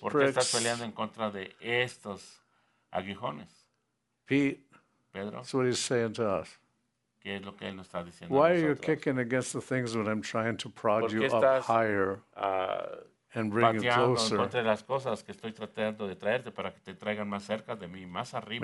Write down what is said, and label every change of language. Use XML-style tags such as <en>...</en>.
<es>¿Por qué estás peleando en contra de estos aguijones?</es> <en>Pete,</en> <es>Pedro,</es> <en>that's what he's saying to us.</en> <es>¿Qué es lo que él nos está diciendo</es> <en>why</en> <es>a nosotros?</es> <en>Are you kicking against the things when I'm trying to prod</en> <es>¿por qué</es> <en>you</en> <es>estás,</es> <en>up higher? And bring you closer.</en> <es>Contra las cosas que estoy tratando de traerte para que te traigan más cerca de mí, más arriba.</es>